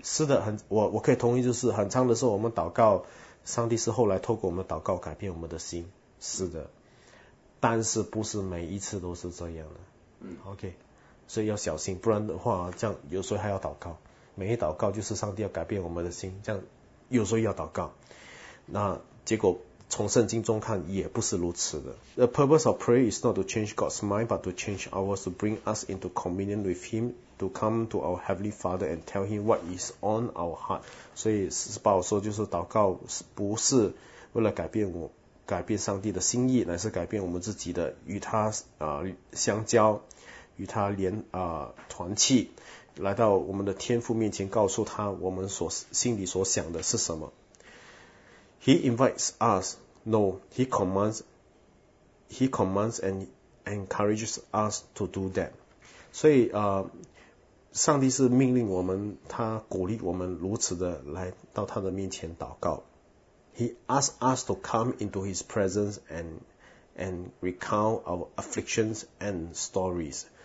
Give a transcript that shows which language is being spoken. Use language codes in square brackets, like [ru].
[zh] 是的，我可以同意，就是很长的时候我们祷告，上帝是后来透过我们祷告改变我们的心，是的，但是不是每一次都是这样的。嗯，OK， 所以要小心，不然的话这样有时候还要祷告。每一祷告就是上帝要改变我们的心，这样有时候要祷告，那结果从圣经中看也不是如此的。 [en] The purpose of prayer is not to change God's mind, but to change ours, to bring us into communion with Him, to come to our Heavenly Father and tell Him what is on our heart. [zh] 所以是把我说就是祷告不是为了改变上帝的心意，乃是改变我们自己的，与他相交，与他连团契。来到我们的天父面前，告诉他我们所心里所想的是什么。 [en] He invites us, no, he commands and encourages us to do that. [zh] 所以上帝是命令我们，他鼓励我们如此的来到他的面前祷告。 [en] He asks us to come into his presence and recount our afflictions and stories.